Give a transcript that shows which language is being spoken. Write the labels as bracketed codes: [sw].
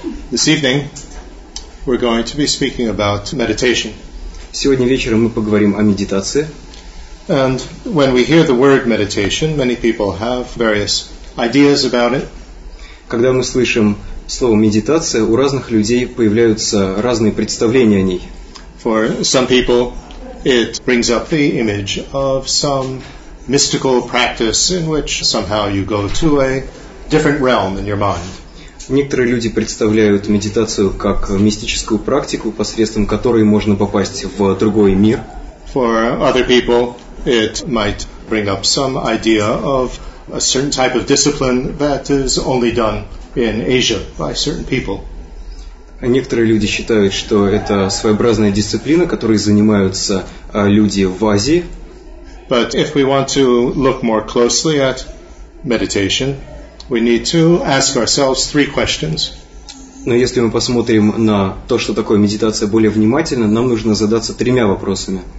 [en] This evening, we're going to be speaking about meditation. [ru] Сегодня вечером мы поговорим о медитации. [en] And when we hear the word meditation, many people have various ideas about it. [ru] Когда мы слышим слово медитация, у разных людей появляются разные представления о ней. [en] For some people, it brings up the image of some mystical practice in which somehow you go to a different realm in your mind. [ru] Некоторые люди представляют медитацию как мистическую практику, посредством которой можно попасть в другой мир. [en] For other people, it might bring up some idea of a certain type of discipline that is only done in Asia by certain people. [ru] Некоторые люди считают, что это своеобразная дисциплина, которой занимаются люди в Азии. [en] But if we want to look more closely at meditation, we need to ask ourselves three questions. [ru] Но если мы посмотрим на то, что такое медитация, более внимательно, нам нужно задаться тремя вопросами.